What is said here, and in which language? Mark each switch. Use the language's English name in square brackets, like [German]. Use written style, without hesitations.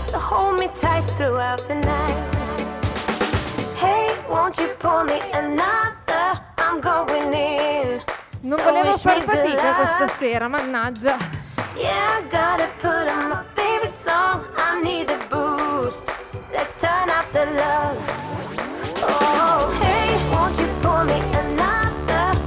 [English] Hold me tight throughout the night. Hey, won't you pull me another? I'm going in. [Italian] Non volevo far fatica questa sera, mannaggia. [English] Yeah, I gotta put on my favorite song. I need a boost. Let's turn up the love. Oh, hey, won't you pull me another?